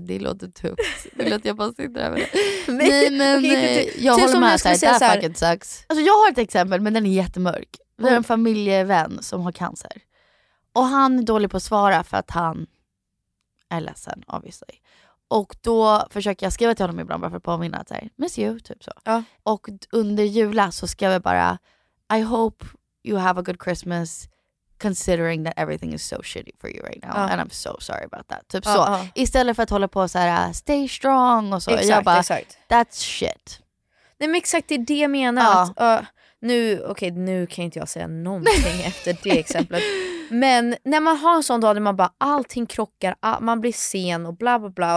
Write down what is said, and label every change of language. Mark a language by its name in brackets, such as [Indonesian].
[Swedish] Det låter tufft. Det låter att jag bara sitter där med det. Nej, jag håller med dig. [English] That fucking sucks. [Swedish] Alltså, jag har ett exempel, men den är jättemörk. Vi har en familjevän som har cancer. Och han är dålig på att svara för att han är ledsen, obviously. Och då försöker jag skriva till honom ibland bara för att påminna att jag [English] miss you, [Swedish] typ så. Ja. Och under jula så skrev jag bara [English] I hope you have a good Christmas, considering that everything is so shitty for you right now. Uh-huh. And I'm so sorry about that. Typ uh-huh. så. [Swedish] Istället för att hålla på såhär, [English] stay strong [Swedish] och så. Exakt. [English] That's shit. [Swedish] Nej, men exakt, det är det jag menar. Nu kan inte jag säga någonting efter det exemplet. Men när man har en sån dag där man bara, allting krockar, man blir sen och bla bla bla.